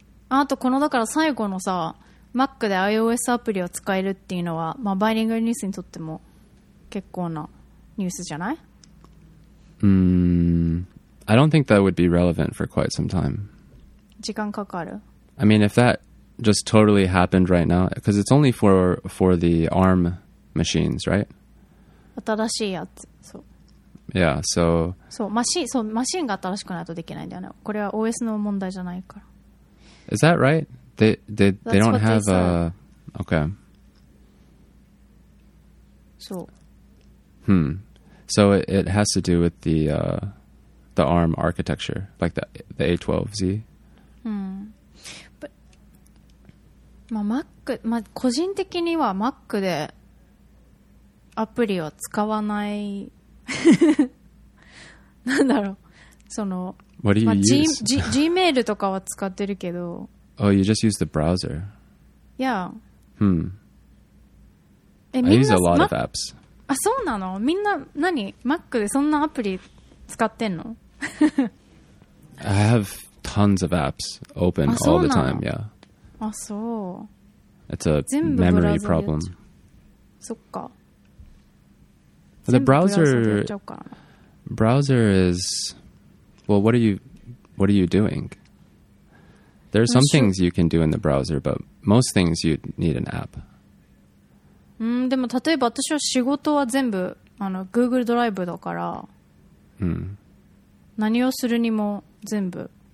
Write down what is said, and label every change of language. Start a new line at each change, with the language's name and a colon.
Japanese: あとこのだから最後のさ、Mac で iOS アプリを使えるっていうのは、まあ、バイリンガルニュースにとっても結構なニュースじゃない？
English: I don't think that would be relevant for quite some time.
Japanese: 時間かかる？
English: I mean, if that just totally happened right now, because it's only for the ARM machines, right?
Japanese: 新しいやつ、そう。
English: Yeah, so...
Japanese: そう、マシンが新しくないとできないんだよね。これは OS の問題じゃないから。
English: Is that right? They don't have a... Okay.
Japanese: そう。 Hmm.
English: So it has to do with the ARM architecture, like the A12Z?
Japanese: まあ、Mac、まあ、個人的には Mac でアプリを使わない何だろう、その、まあ、 Gmail とかは使ってるけど。
English: Oh, you just use the browser? Yeah. Hmm. I use a lot of apps.
Japanese: あ、そうなの？みんな何？ Mac でそんなアプリ使ってんの？
English: I have tons of apps open all the time, yeah.
Japanese: あ、そう。
English: It's a memory problem.
Japanese: そっか。
English: The browser is... Well, what are you doing? There are some things you can do in the browser, but most things you need an app.
Japanese: うん、でも例えば私は仕事は全部Google ドライブだから、何をするにも全部。